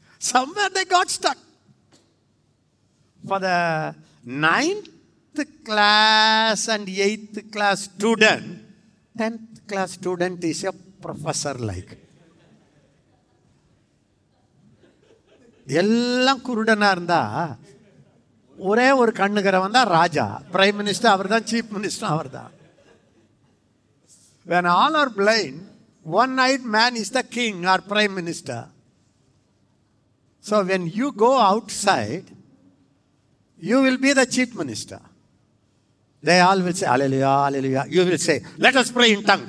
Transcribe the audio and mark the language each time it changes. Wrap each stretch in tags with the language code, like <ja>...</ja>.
<en>Somewhere they got stuck. For the 9th class and 8th class student, 10th class student is a professor-like.</en> <ta>எல்லாம் குருடனா இருந்தா ஒரே ஒரு கண்ணுகிறவன் தான் ராஜா. Prime minister அவர் தான், chief minister அவர் தான்.</ta> <en>When all are blind, one-eyed man is the king or prime minister. So when you go outside, you will be the chief minister. They all will say, hallelujah, hallelujah. You will say, let us pray in tongue.</en>